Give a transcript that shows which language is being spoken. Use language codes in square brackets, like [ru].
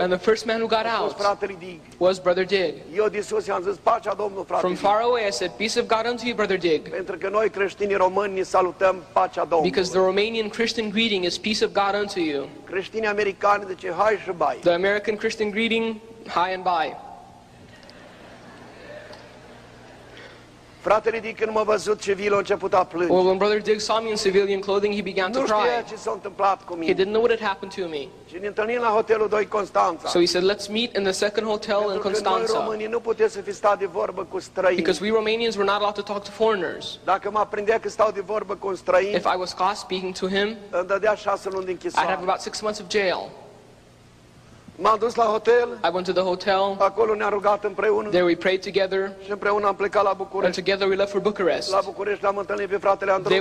[en] And the first man who got out was Brother Dig. [ro] Eu de sus i-am zis, pacea Domnului, frate. [en] From far away I said, peace of God unto you, Brother Dig. [ro] Pentru că noi creștinii români ne salutăm pacea Domnului. [en] Because the Romanian Christian greeting is peace of God unto you. [ro] Creștinii americani zice, hai și bai. [en] The American Christian greeting, hi and bye. [ro] Fratele Dick, când m-a văzut civil, a început a plânge. [en] Well, when Brother Dick saw me in civilian clothing, he began to cry. [ro] Nu știa ce s-a întâmplat cu mine. [en] He didn't know what had happened to me. [ro] Și ne întâlnim la hotelul 2 Constanța. [en] So he said, let's meet in the second hotel in Constanța. [ro] Pentru că noi românii nu putem să fi stat de vorbă cu străini. [en] Because we Romanians were not allowed to talk to foreigners. [ro] Dacă m-a prindea că stau de vorbă cu un străin, [en] if I was caught speaking to him, [ro] îmi dădea 6 luni de închisoare. [en] I'd have about 6 months of jail. [ro] M-am dus la hotel. [en] I went to the hotel. [ro] Acolo ne-am rugat împreună. [en] There we prayed together. [ro] Și împreună am plecat la București. [en] And together we left for Bucharest. [ro] La București l-am întâlnit pe fratele Andrew.